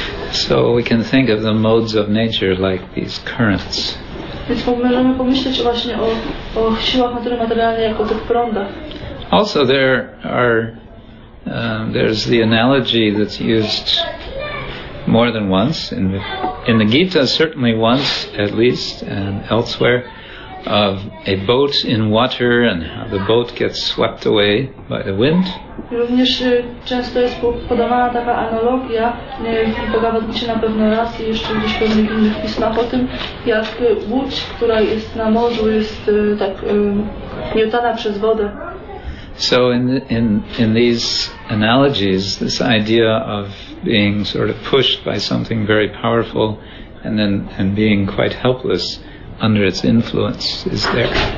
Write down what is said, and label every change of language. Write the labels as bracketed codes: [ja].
[en] So we can think of the modes of nature like these currents. [pl] Więc możemy pomyśleć właśnie o siłach natury materialnej jako tych prądach. [en] Also there are there's the analogy that's used more than once in the Gita, certainly once at least, and elsewhere, of a boat in water and how the boat gets swept away by the wind. [pl] Również często jest podawana taka analogia, nie wiem, pogadamy się na pewno raz i jeszcze gdzieś w pewnych innych pismach o tym, jak łódź, która jest na morzu, jest tak miotana przez wodę. [en] So in these analogies, this idea of being sort of pushed by something very powerful and being quite helpless under its influence is there.